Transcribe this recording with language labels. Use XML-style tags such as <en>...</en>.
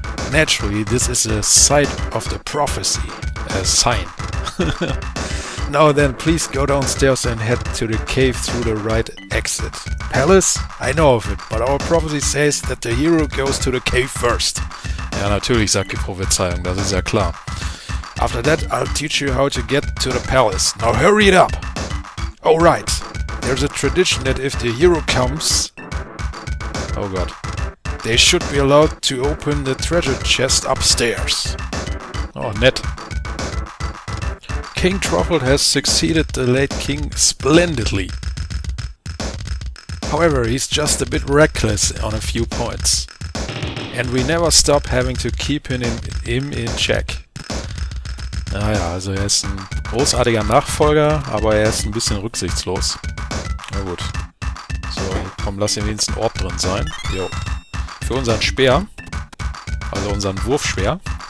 <en>Naturally, this is a sight of the prophecy. A sign. Now then, please go downstairs and head to the cave through the right exit. Palace? I know of it, but our prophecy says that the hero goes to the cave first.</en> <de>Ja, natürlich sagt die Prophezeiung, das ist ja klar.</de> <en>After that, I'll teach you how to get to the palace. Now hurry it up! Oh right, there's a tradition that if the hero comes... Oh god. They should be allowed to open the treasure chest upstairs.</en> <de>Oh, nett.</de> <en>King Truffle has succeeded the late king splendidly. However, he's just a bit reckless on a few points. And we never stop having to keep him in check.</en> <de>Naja, also er ist ein großartiger Nachfolger, aber er ist ein bisschen rücksichtslos. Na gut. So, komm, lass ihn wenigstens Ort drin sein. Jo. Für unseren Speer, also unseren Wurfspeer.</de>